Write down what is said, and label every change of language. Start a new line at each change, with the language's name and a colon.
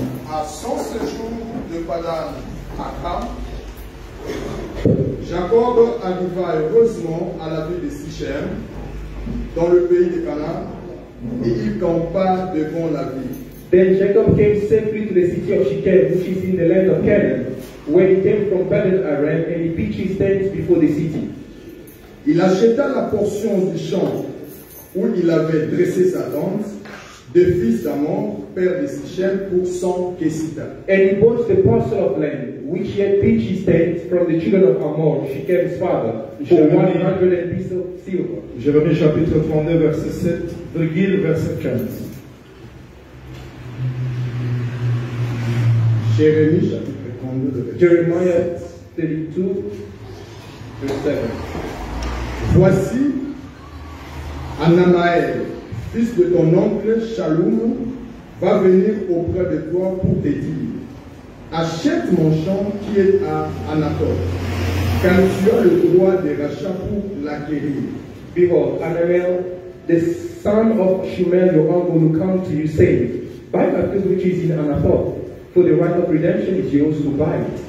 French: À son séjour de Padan Aram, Jacob arriva heureusement à la ville de Sichem, dans le pays de Canaan, et il campa devant la ville.
English: Then Jacob came safely to the city of Shechem, which is in the land of Canaan, where he came from Padan Aram, and he pitched his tent before the city.
French: Il acheta la portion du champ où il avait dressé sa tente, des fils d'Amor, père de Sichem, pour 100 kesita.
English: And he bought the parcel of land which he had pitched his tent from the children of Amor, Shechem's father, for 100 pieces of silver.
French: Jérémie chapitre 39 verset 7, Virgile verset 15. Jérémie chapitre 32 verset 7. Jeremiah 32 verset 7. Voici Anamaël, fils de ton oncle Shalom, va venir auprès de toi pour te dire, achète mon champ qui est à Anatote, car tu as le droit de rachat pour l'acquérir.
English: Behold, Anamaël, the son of Shimei, your uncle, will come to you saying, buy my field which is in Anatote, for the right of redemption is yours to buy.